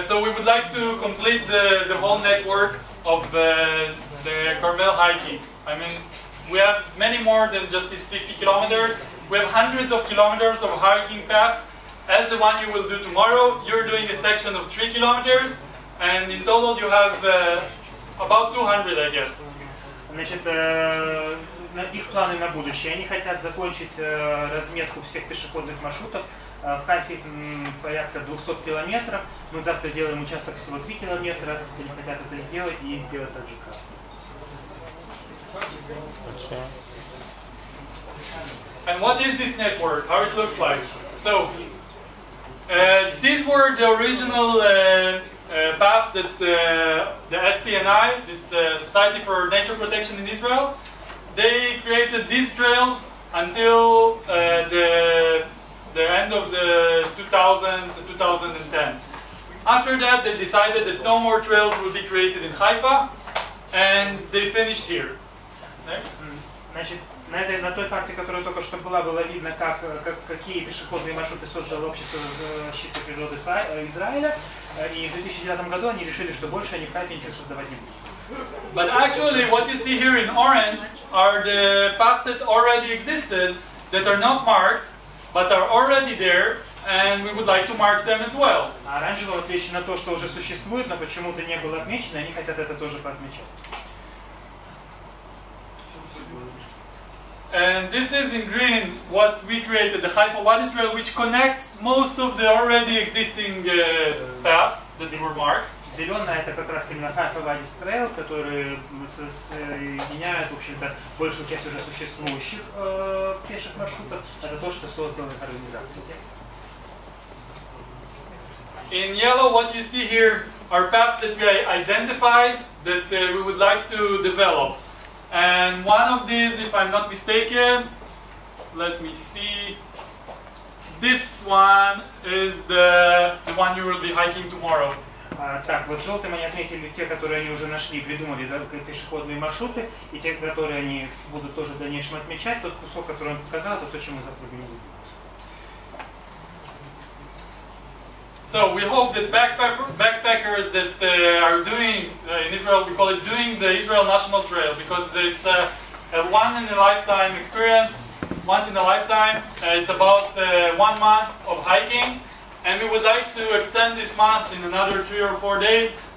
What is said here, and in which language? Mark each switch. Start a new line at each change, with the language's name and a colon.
English: So we would like to complete the whole network of the Carmel hiking. I mean, we have many more than just these 50 kilometers. We have hundreds of kilometers of hiking paths. As the one you will do tomorrow, you're doing a section of 3 kilometers, and in total you have about 200, I guess.
Russian: Значит, их планы на будущее. Они хотят закончить разметку всех пешеходных маршрутов. В Хайфе порядка 200 километров. Мы завтра делаем участок всего 3 километра. Они хотят это сделать и сделать так же, как.
English: And what is this network? How it looks like? So, these were the original paths that the SPNI, this Society for Nature Protection in Israel, they created these trails until the end of the 2010. After that, they decided that no more trails would be created in Haifa, and they finished here. Next.
Russian: На той карте, которая только что была, было видно, какие пешеходные маршруты создало общество защиты природы Израиля. И в 2009 году они решили, что больше они в Хайфе ничего создавать не будут.
English: But actually, what you see here in orange are the paths that already existed, that are not marked, but are already there, and we would like to mark them as well.
Russian: Оранжевое отмечено то, что уже существует, но почему-то не было отмечено, они хотят это тоже поотмечать.
English: And this is in green what we created, the Haifa Wadis Trail, which connects most of the already existing paths that they were marked.
Russian: Зеленая это как раз именно Haifa Wadis Trail, который соединяет, в общем-то, большую часть уже существующих пеших маршрутов. Это то, что создала организация.
English: In yellow, what you see here are paths that we identified that we would like to develop. And one of these, if I'm not mistaken, let me see. This one is the one you will be hiking tomorrow.
Russian: Так, вот желтым они отметили те, которые они уже нашли, придумали, да, пешеходные маршруты, и те, которые они будут тоже в дальнейшем отмечать. Тот кусок, который он показал, это то, чем мы запланировали.
English: So we hope that backpackers that are doing, in Israel we call it doing the Israel National Trail, because it's a one in a lifetime experience, once in a lifetime. It's about 1 month of hiking, and we would like to extend this month in another 3 or 4 days,